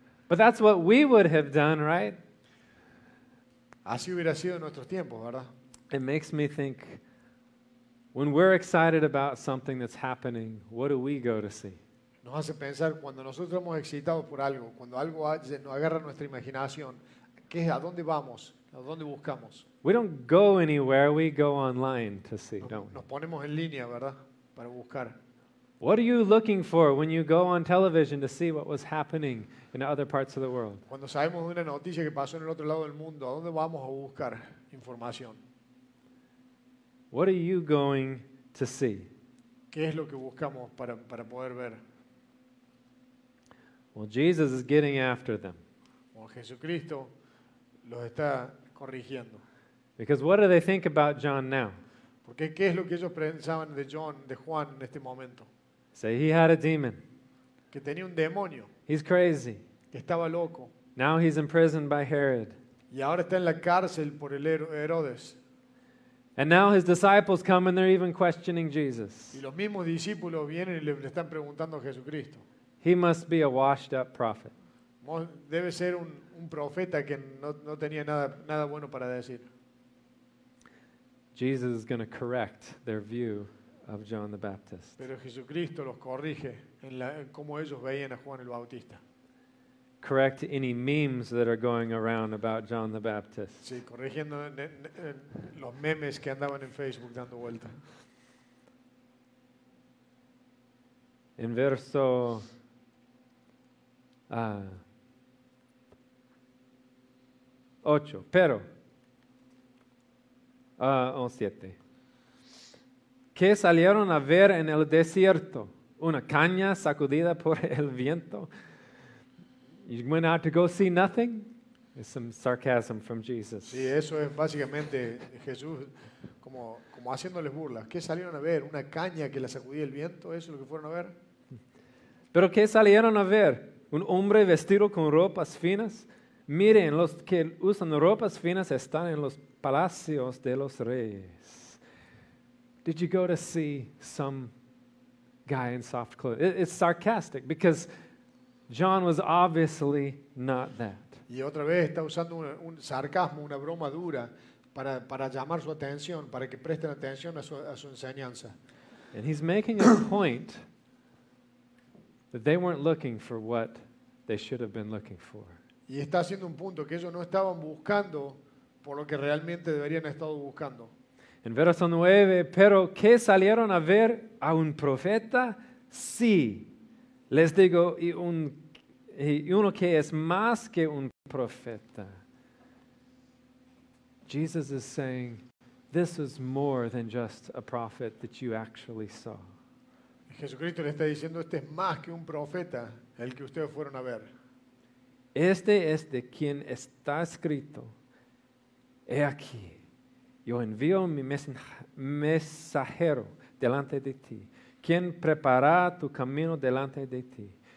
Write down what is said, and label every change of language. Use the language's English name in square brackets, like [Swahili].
[English] But that's what we would have done, right? [Spanish] Así hubiera sido en nuestros tiempos, ¿verdad? [English] It makes me think, when we're excited about something that's happening, what do we go to see? [Spanish] Nos hace pensar, cuando nosotros hemos excitado por algo, cuando algo nos agarra nuestra imaginación, ¿qué, a dónde vamos? ¿A dónde buscamos? [English] We don't go anywhere, we go online to see, don't we? [Spanish] Nos ponemos en línea, ¿verdad? Para buscar. [English] What are you looking for when you go on television to see what was happening in other parts of the world? [Spanish] Cuando sabemos una noticia que pasó en el otro lado del mundo, ¿a dónde vamos a buscar información? What are you going to see? ¿Qué es lo que buscamos para poder ver? [English] Well, Jesus is getting after them. Well, [Spanish] Jesucristo los está corrigiendo. [English] Because what do they think about John now? [Spanish] Porque ¿qué es lo que ellos pensaban de John, de Juan en este momento? [English] Say he had a demon. [Spanish] Que tenía un demonio. [English] He's crazy. [Spanish] Que estaba loco. [English] Now he's imprisoned by Herod. [Spanish] Y ahora está en la cárcel por el Herodes. [English] And now his disciples come and they're even questioning Jesus. [Spanish] Y los mismos discípulos vienen y le están preguntando a Jesucristo. [English] He must be a washed up prophet. [Spanish] Debe ser un profeta que no tenía nada bueno para decir. [English] Jesus is going to correct their view of John the Baptist. [Spanish] Pero Jesucristo los corrige en cómo ellos veían a Juan el Bautista. [English] Correct any memes that are going around about John the Baptist. [Spanish] Sí, corrigiendo los memes que andaban en Facebook dando vuelta. En verso 8, pero 7. ¿Qué salieron a ver en el desierto? ¿Una caña sacudida por el viento? [English] You went out to go see nothing? It's some sarcasm from Jesus. [Spanish] Sí, eso es básicamente Jesús como haciéndoles burlas. ¿Qué salieron a ver? ¿Una caña que la sacudía el viento? ¿Eso es lo que fueron a ver? ¿Pero qué salieron a ver? ¿Un hombre vestido con ropas finas? Miren, los que usan ropas finas están en los palacios de los reyes. [English] Did you go to see some guy in soft clothes? It's sarcastic because John was obviously not that. [Spanish] Y otra vez está usando un sarcasmo, una broma dura para llamar su atención, para que presten atención a su enseñanza. [English] And he's making a point that they weren't looking for what they should have been looking for. [Spanish] Y está haciendo un punto que ellos no estaban buscando por lo que realmente deberían haber estado buscando. En verso 9, pero ¿qué salieron a ver? ¿A un profeta? Sí, les digo, y uno que es más que un profeta. [English] Jesus is saying, this is more than just a prophet that you actually saw. [Spanish] Jesucristo le está diciendo, este es más que un profeta, el que ustedes fueron a ver. Este es de quien está escrito, he aquí. Yo envío mi mensajero delante de ti, quien prepara tu camino delante de ti.